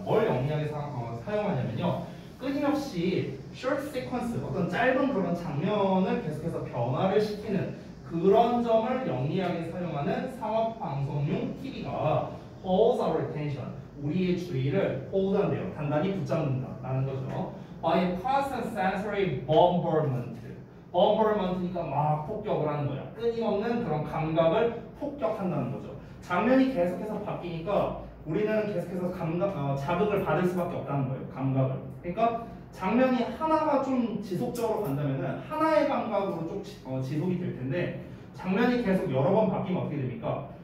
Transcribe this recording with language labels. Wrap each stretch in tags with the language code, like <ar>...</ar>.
<ko>뭘 영리하게 사용하냐면요, 끊임없이</ko> <en>short sequence,</en> <ko>어떤 짧은 그런 장면을 계속해서 변화를 시키는 그런 점을 영리하게 사용하는 상업방송용 TV가</ko> <en>holds our attention,</en> <ko>우리의 주의를 hold 한대요. 단단히 붙잡는다 라는 거죠.</ko> <en>By a constant sensory bombardment.</en> <ko>bombardment니까 막 폭격을 하는 거야. 끊임없는 그런 감각을 폭격한다는 거죠. 장면이 계속해서 바뀌니까 우리는 계속해서 자극을 받을 수밖에 없다는 거예요. 감각을. 그러니까 장면이 하나가 좀 지속적으로 간다면은 하나의 감각으로 쭉 지속이 될 텐데, 장면이 계속 여러 번 바뀌면 어떻게 됩니까?</ko>